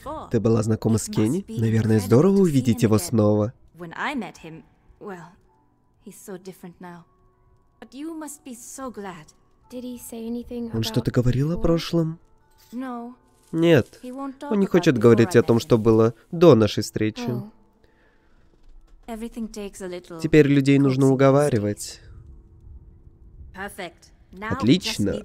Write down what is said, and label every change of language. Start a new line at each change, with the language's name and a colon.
Russian: Ты была знакома с Кенни? Наверное, здорово увидеть его снова.
English: When I met him, well, he's so different now. But you must be so glad. Did he say anything about...
Russian: Он что-то говорил о прошлом?
English: No.
Russian: Нет. Он не хочет говорить о том, что было до нашей встречи.
English: Everything takes a little...
Russian: Теперь людей нужно уговаривать.
English: Perfect.
Russian: Отлично.